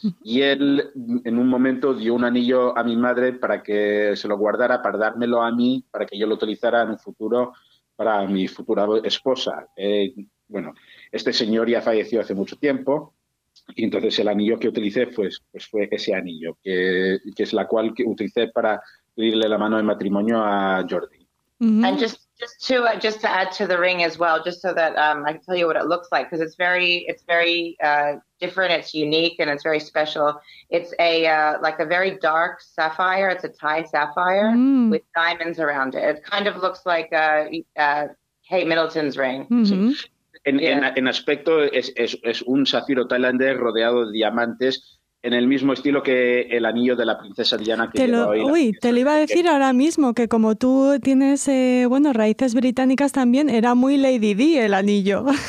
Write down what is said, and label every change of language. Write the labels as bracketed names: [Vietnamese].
[Spanish] Y él, en un momento, dio un anillo a mi madre para que se lo guardara, para dármelo a mí, para que yo lo utilizara en un futuro... para mi futura esposa. Bueno, este señor ya falleció hace mucho tiempo y entonces el anillo que utilicé pues fue ese anillo, que es la cual que utilicé para pedirle la mano de matrimonio a Jordi. Mm-hmm. [English] And just to add to the ring as well, just so that I can tell you what it looks like, because it's very different, it's unique, and it's very special. It's a very dark sapphire. It's a Thai sapphire with diamonds around it. It kind of looks like Kate Middleton's ring. Mm-hmm. [Spanish] Sí. En aspecto es un zafiro tailandés rodeado de diamantes. En el mismo estilo que el anillo de la princesa Diana que lleva hoy. Uy, te lo iba a decir ahora mismo, que como tú tienes raíces británicas también, era muy Lady Di el anillo.